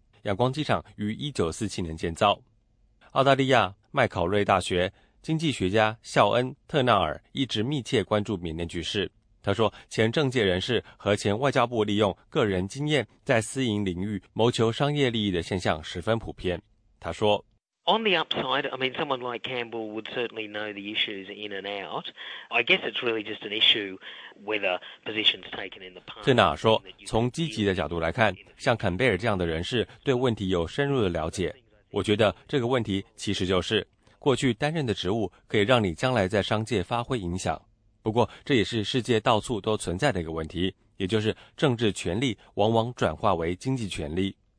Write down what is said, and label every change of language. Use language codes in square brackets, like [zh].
[zh] 仰光机场于1947年建造。澳大利亚麦考瑞大学经济学家肖恩·特纳尔一直密切关注缅甸局势。他说，前政界人士和前外交部利用个人经验在私营领域谋求商业利益的现象十分普遍。他说。 [en] On the upside, I mean, someone like Campbell would certainly know the issues in and out. I guess it's really just an issue whether positions taken in the past. [zh] 对纳尔说，从积极的角度来看，像坎贝尔这样的人士对问题有深入的了解。我觉得这个问题其实就是，过去担任的职务可以让你将来在商界发挥影响。不过，这也是世界到处都存在的一个问题，也就是政治权力往往转化为经济权力。